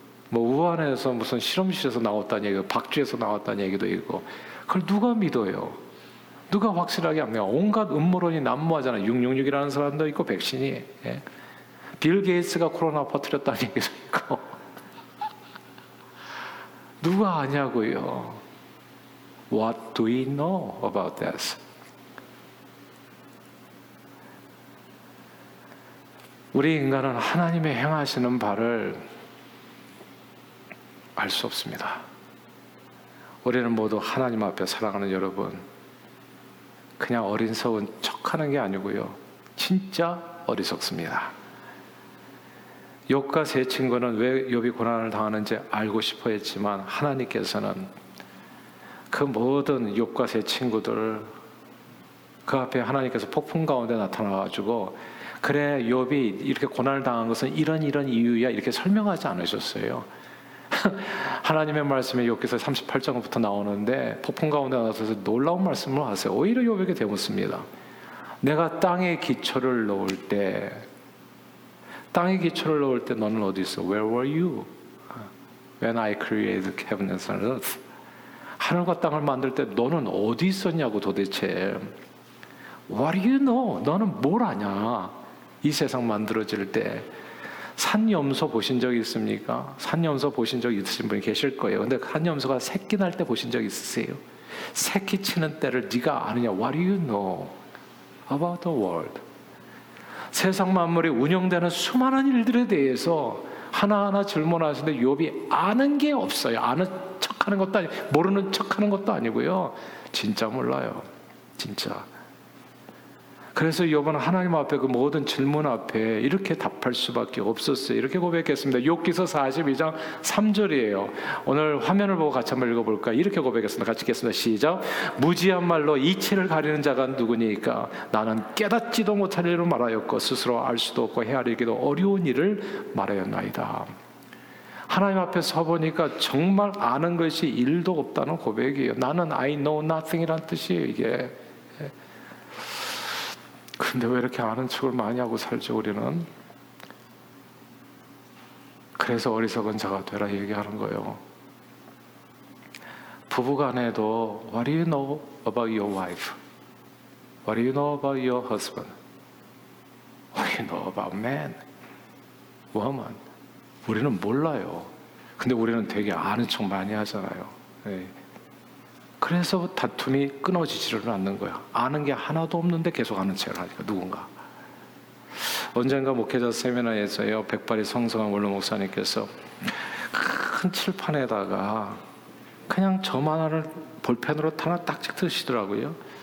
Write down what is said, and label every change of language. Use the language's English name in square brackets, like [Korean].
[Korean] 뭐 우한에서 무슨 실험실에서 나왔다는 얘기, 박쥐에서 나왔다는 얘기도 있고 그걸 누가 믿어요? 누가 확실하게 합니까? 온갖 음모론이 난무하잖아요. 666이라는 사람도 있고 백신이. 예? 빌 게이츠가 코로나 퍼뜨렸다는 얘기도 있고 누가 아냐고요? [English] What do we know about this? [Korean] 우리 인간은 하나님의 행하시는 바를 알 수 없습니다. 우리는 모두 하나님 앞에 사랑하는 여러분 그냥 어리석은 척하는 게 아니고요 진짜 어리석습니다. 욥과 세 친구는 왜 욥이 고난을 당하는지 알고 싶어 했지만 하나님께서는 그 모든 욥과 세 친구들 그 앞에 하나님께서 폭풍 가운데 나타나가지고 그래 욥이 이렇게 고난을 당한 것은 이런 이런 이유야 이렇게 설명하지 않으셨어요. 하나님의 말씀이 욥기서 38장부터 나오는데 폭풍 가운데 나타나서 놀라운 말씀을 하세요. 오히려 욥에게 대묻습니다. 내가 땅에 기초를 놓을 때 땅에 기초를 놓을 때 너는 어디 있어? [English] Where were you? When I created heaven and earth. [Korean] 하늘과 땅을 만들 때 너는 어디 있었냐고 도대체. [English] What do you know? [Korean] 너는 뭘 아냐? 이 세상 만들어질 때. 산염소 보신 적 있습니까? 산염소 보신 적 있으신 분이 계실 거예요. 근데 산염소가 새끼 날 때 보신 적 있으세요? 새끼 치는 때를 네가 아느냐? [English] What do you know about the world? [Korean] 세상 만물이 운영되는 수많은 일들에 대해서 하나하나 질문하시는데 욥이 아는 게 없어요. 아는 하는 것도 아니, 모르는 척하는 것도 아니고요. 진짜 몰라요. 진짜. 그래서 욥은 하나님 앞에 그 모든 질문 앞에 이렇게 답할 수밖에 없었어요. 이렇게 고백했습니다. 욥기서 42장 3절이에요. 오늘 화면을 보고 같이 한번 읽어볼까? 이렇게 고백했습니다. 같이 읽겠습니다. 시작. 무지한 말로 이치를 가리는 자가 누구니까 나는 깨닫지도 못할 일을 말하였고 스스로 알 수도 없고 헤아리기도 어려운 일을 말하였나이다. 하나님 앞에 서보니까 정말 아는 것이 1도 없다는 고백이에요. 나는 [English] I know nothing [Korean] 이란 뜻이에요 이게. 근데 왜 이렇게 아는 척을 많이 하고 살죠 우리는? 그래서 어리석은 자가 되라 얘기하는 거예요. 부부간에도 [English] What do you know about your wife? What do you know about your husband? What do you know about man? [Korean] Woman? 우리는 몰라요. 근데 우리는 되게 아는 척 많이 하잖아요. 그래서 다툼이 끊어지지를 않는 거야. 아는 게 하나도 없는데 계속 아는 척을 하니까 누군가. 언젠가 목회자 세미나에서요 백발이 성성한 원로 목사님께서 큰 칠판에다가 그냥 점 하나를 볼펜으로 하나 딱 찍듯이더라고요.